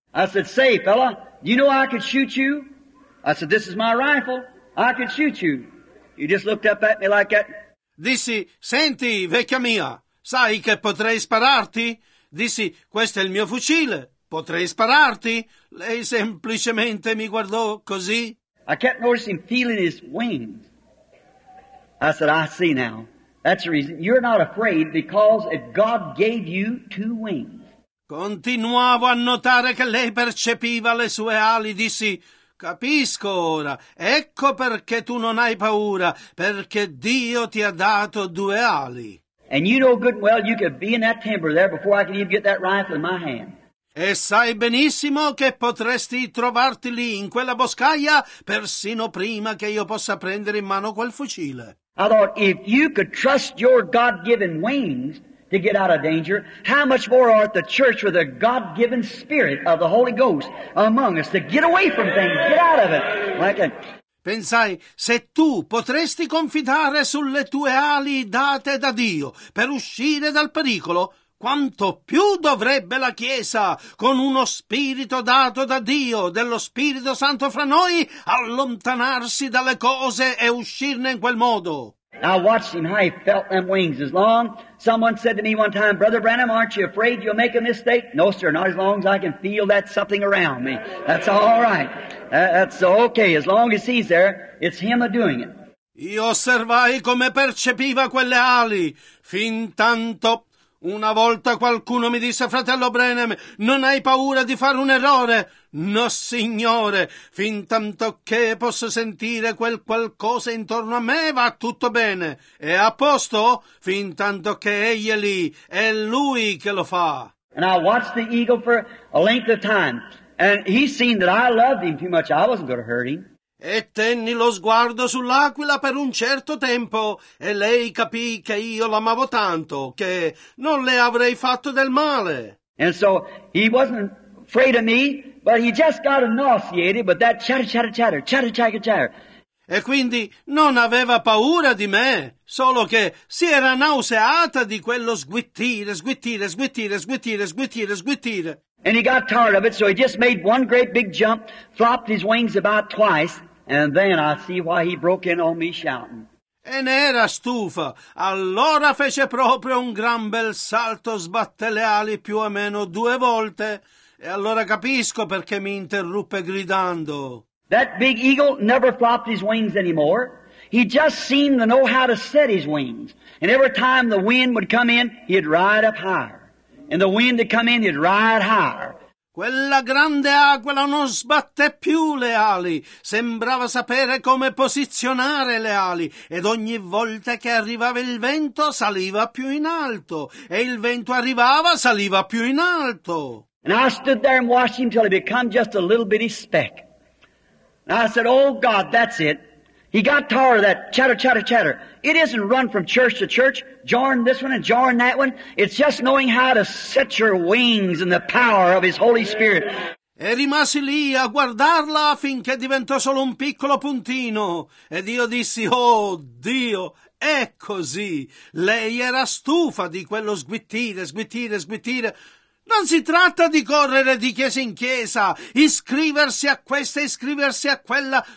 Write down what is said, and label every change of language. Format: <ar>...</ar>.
<en>I said, say, fella, you know I could shoot you? I said, this is my rifle. I could shoot you. You just looked up at me like that.</en> <it>Dissi, senti, vecchia mia, sai che potrei spararti? Dissi, questo è il mio fucile, potrei spararti? Lei semplicemente mi guardò così.</it> <en>I kept noticing feeling his wings. I said, I see now. That's the reason. You're not afraid because if God gave you two wings.</en> <it>Continuavo a notare che lei percepiva le sue ali, dissi, capisco ora, ecco perché tu non hai paura, perché Dio ti ha dato due ali.</it> <en>And you know good and well you could be in that timber there before I could even get that rifle in my hand.</en> <it>E sai benissimo che potresti trovarti lì in quella boscaglia persino prima che io possa prendere in mano quel fucile.</it> <en>I thought, if you could trust your God-given wings to get out of danger, how much more art the church with the God-given spirit of the Holy Ghost among us to get away from things, get out of it. Like a...</en> <it>Pensai, se tu potresti confidare sulle tue ali date da Dio per uscire dal pericolo, quanto più dovrebbe la Chiesa, con uno spirito dato da Dio, dello Spirito Santo fra noi, allontanarsi dalle cose e uscirne in quel modo.</it> <en>I watched him how he felt them wings. As long someone said to me one time, Brother Branham, aren't you afraid you'll make a mistake? No, sir, not as long as I can feel that something around me. That's all right. That's okay. As long as he's there, it's him a-doing it.</en> <it>Io osservai come percepiva quelle ali. Fin tanto, una volta qualcuno mi disse, Fratello Branham, non hai paura di fare un errore? No, signore, fin tanto che posso sentire quel qualcosa intorno a me va tutto bene. È a posto? Fin tanto che egli è lì, è lui che lo fa.</it> <en>And I watched the eagle for a length of time, and he seen that I loved him too much, I wasn't going to hurt him.</en> <it>E tenni lo sguardo sull'aquila per un certo tempo, e lei capì che io l'amavo tanto, che non le avrei fatto del male.</it> <en>And so he wasn't afraid of me, but he just got nauseated with that chatter, chatter, chatter, chatter, chatter, chatter.</en> <it>E quindi non aveva paura di me, solo che si era nauseata di quello sguittire, sguittire, sguittire, sguittire, sguittire, sguittire.</it> <en>And he got tired of it, so he just made one great big jump, flopped his wings about twice, and then I see why he broke in on me shouting.</en> <it>E ne era stufa. Allora fece proprio un gran bel salto, sbatte le ali più o meno due volte, e allora capisco perché mi interruppe gridando.</it> <en>That big eagle never flopped his wings anymore. He just seemed to know how to set his wings. And every time the wind would come in, he'd ride up higher. And the wind would come in, he'd ride higher.</en> <it>Quella grande aquila non sbatté più le ali. Sembrava sapere come posizionare le ali. Ed ogni volta che arrivava il vento, saliva più in alto. E il vento arrivava, saliva più in alto.</it> <en>And I stood there and watched him till he became just a little bitty speck. And I said, oh God, that's it. He got tired of that chatter, chatter, chatter. It isn't run from church to church, jarring this one and jarring that one. It's just knowing how to set your wings in the power of His Holy Spirit.</en> <it>E rimasi lì a guardarla finché diventò solo un piccolo puntino. Ed io dissi, oh Dio, è così. Lei era stufa di quello sguittire, sguittire, sguittire. Non si tratta di correre di chiesa in chiesa, iscriversi a questa, iscriversi a quella.</it>